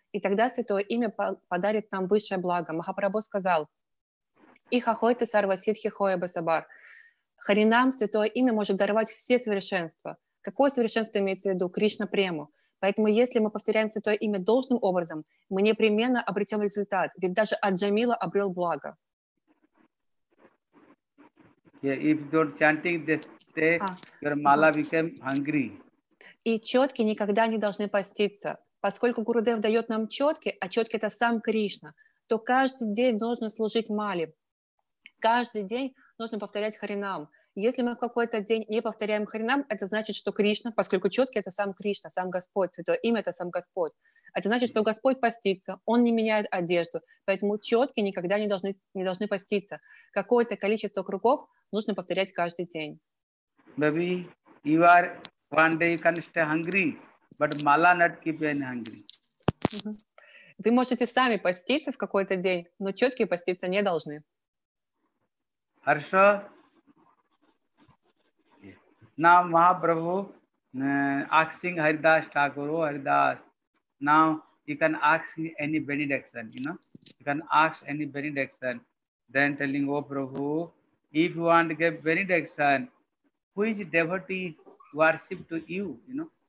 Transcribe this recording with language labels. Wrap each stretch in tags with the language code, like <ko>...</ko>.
<ru>И тогда святое имя подарит нам высшее благо. Махапрабху сказал:</ru> <bn>«Их ахойте сарва сидхи хоя басабар».</bn> <ru>Харинам святое имя может даровать все совершенства. Какое совершенство имеется в виду? Кришна прему. Поэтому если мы повторяем святое имя должным образом, мы непременно обретем результат. Ведь даже Аджамила обрел благо.</ru> <en>Yeah, if you're chanting this day, your mala became hungry.</en> <ru>И четки никогда не должны поститься. Поскольку Гурудев дает нам четки, а четки — это сам Кришна, то каждый день нужно служить мали. Каждый день нужно повторять харинам. Если мы в какой-то день не повторяем харинам, это значит, что Кришна, поскольку четки — это сам Кришна, сам Господь, святое имя — это сам Господь. Это значит, что Господь постится, Он не меняет одежду, поэтому четки никогда не должны поститься. Какое-то количество кругов нужно повторять каждый день.</ru> <en>Baby, you are one day you can stay hungry. But mala not keep you hungry.</en> <ru>Вы можете сами поститься в какой-то день, но четки поститься не должны. Хорошо.</ru> <en>Now Mahaprabhu asking Haridas Thakur, Haridas, now you can ask me any benediction, you know. You can ask any benediction. Then telling, oh Prabhu, if you want to get benediction, who is devotee worship to you, you know.</en>